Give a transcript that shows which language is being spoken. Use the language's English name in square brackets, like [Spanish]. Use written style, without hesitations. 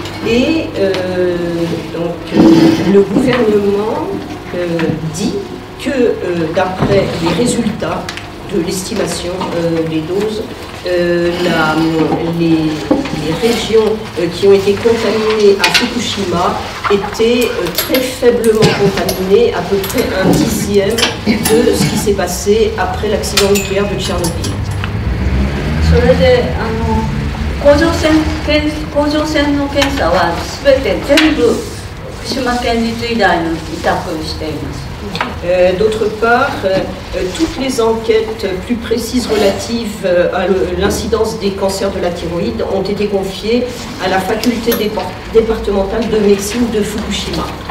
[French] Et donc, le gouvernement dit que d'après les résultats de l'estimation des doses, les régions qui ont été contaminées à Fukushima étaient très faiblement contaminées, à peu près un dixième de ce qui s'est passé après l'accident nucléaire de Tchernobyl. [Japanese] それで、甲状腺の検査は全部福島県立医大の委託しています。 [French] D'autre part, toutes les enquêtes plus précises relatives à l'incidence des cancers de la thyroïde ont été confiées à la faculté départementale de médecine de Fukushima.